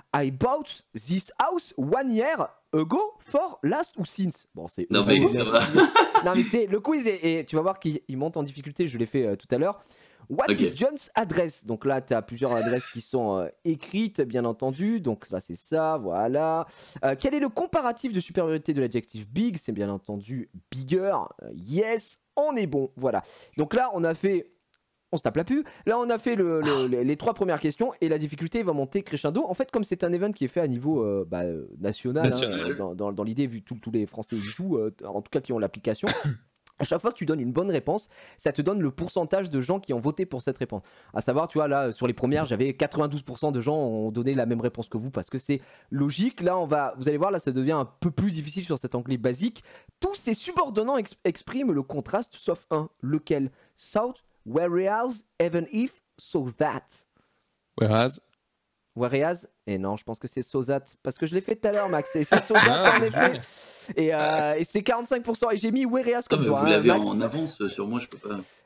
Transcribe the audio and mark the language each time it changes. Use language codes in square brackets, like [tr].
[en] I bought this house 1 year ago, for, last ou since. [fr] Bon, c'est... Non, mais ça va. Non, mais c'est le quiz. Et tu vas voir qu'il monte en difficulté. Je l'ai fait tout à l'heure. What is John's address? Donc là, tu as plusieurs adresses qui sont écrites, bien entendu. Donc là, c'est ça, voilà. Quel est le comparatif de supériorité de l'adjectif big? C'est bien entendu bigger. Yes, on est bon, voilà. Donc là, on se tape la pub. Là, on a fait les trois premières questions et la difficulté va monter crescendo. En fait, comme c'est un event qui est fait à niveau national. Hein, dans l'idée, vu que tous les Français y jouent, en tout cas qui ont l'application. À chaque fois que tu donnes une bonne réponse, ça te donne le pourcentage de gens qui ont voté pour cette réponse. À savoir, tu vois, là, sur les premières, j'avais 92% de gens ont donné la même réponse que vous parce que c'est logique. Là, vous allez voir, là, ça devient un peu plus difficile sur cet anglais basique. Tous ces subordonnants expriment le contraste, sauf un. Lequel? [en] South, whereas, even if, so that. Whereas? [fr] Et non, je pense que c'est so that. Parce que je l'ai fait tout à l'heure, Max. Et c'est so that, en effet. Et c'est 45% et j'ai mis Whereas comme toi. Vous l'avez en avance sur moi, je peux pas.